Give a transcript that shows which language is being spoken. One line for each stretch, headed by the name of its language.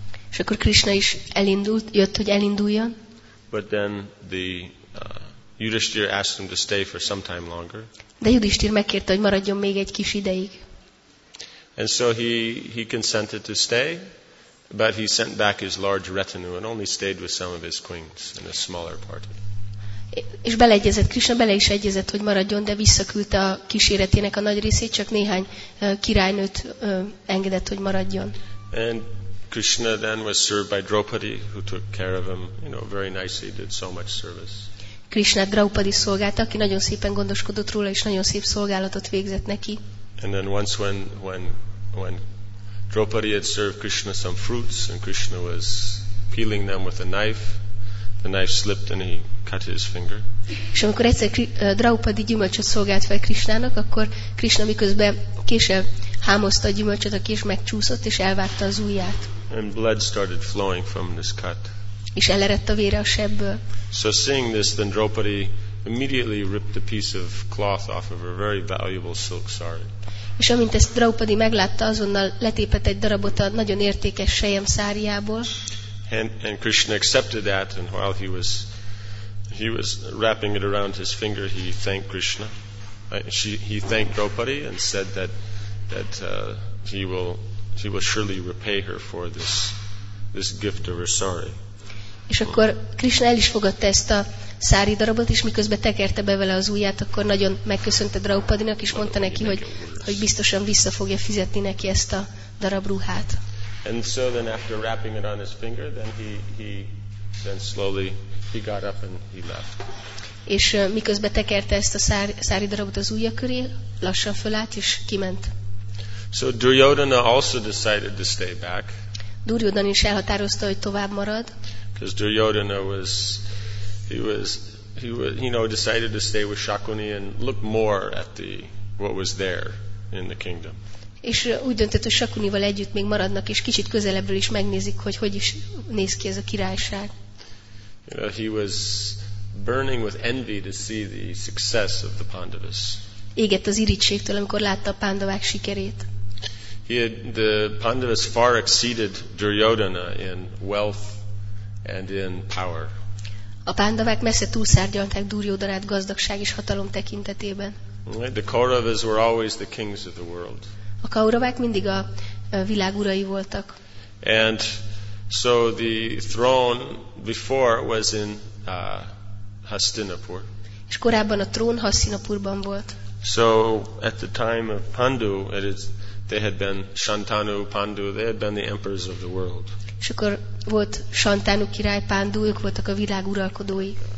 Hungarian: És akkor Krishna is elindult, jött, hogy elinduljon.
English: But then the Yudhishthira asked him to stay for some time longer.
Hungarian: De Yudhishthir megkérte, hogy maradjon még egy kis ideig.
English: And so he consented to stay, but he sent back his large retinue and only stayed with some of his queens in a smaller party.
Hungarian: És beleegyezett, Krishna bele is egyezett, hogy maradjon, de visszaküldte a kíséretének a nagy részét, csak néhány királynőt engedett, hogy maradjon.
English: And Krishna then was served by Draupadi, who took care of him, you know, very nicely, did so much service.
Hungarian: Krishna Draupadi szolgálta, aki nagyon szépen gondoskodott róla, és nagyon szép szolgálatot végzett neki.
English: And then once when Draupadi had served Krishna some fruits, and Krishna was peeling them with a knife, the knife slipped and he cut his finger.
Hungarian: És amikor egyszer Draupadi gyümölcsöt szolgált fel Krishnának, akkor Krishna miközben késsel hámozta a gyümölcsöt, a kés megcsúszott és elvágta az ujját.
English: And blood started flowing from this cut.
Hungarian: És elerett a vére a sebből.
English: So seeing this, then Draupadi immediately ripped a piece of cloth off of her very valuable silk sari.
Hungarian: És amint ezt Draupadi meglátta, azonnal letépett egy darabot a nagyon értékes selyem száriából.
English: And Krishna accepted that, and while he was wrapping it around his finger, he thanked Krishna. He thanked Draupadi and said that he will surely repay her for this gift of her sari.
Hungarian: És akkor Krishna el is fogadta ezt a szári darabot, és miközben tekerte be vele az ujját, akkor nagyon megköszönte Draupadinak, és mondta neki, hogy biztosan vissza fogja fizetni neki ezt a darab ruhát.
English: And so then after wrapping it on his finger, then he slowly he got up and he left.
Hungarian: És miközben tekerte ezt a szári darabot az ujja köré, lassan fölállt és kiment.
English: So Duryodhana also decided to stay back.
Hungarian: Duryodhana is elhatározta, hogy tovább marad.
English: Because Duryodhana decided to stay with Shakuni and look more at what was there in the kingdom.
Hungarian: És úgy döntött, hogy Shakunival együtt még maradnak, és kicsit közelebbről is megnézik, hogy is néz ki ez a királyság.
English: You know, he was burning with envy to see the success of the Pandavas.
Hungarian: Égett az irigységtől, amikor látta a Pandavák sikerét.
English: The Pandavas far exceeded Duryodhana in wealth and in power.
Hungarian: A Pandavák messze túlszárnyalták Duryodhanát gazdagság és hatalom tekintetében.
English: The Kauravas were always the kings of the world.
Hungarian: A Kauravák mindig a világ urai voltak.
English: And so the throne before was in Hastinapur.
Hungarian: És korábban a trón Hastinapurban volt.
English: So at the time of Pandu, they had been Shantanu, Pandu, they had been the emperors of the world.
Hungarian: És akkor volt Shantanu király, Pandu, ők voltak a világ uralkodói.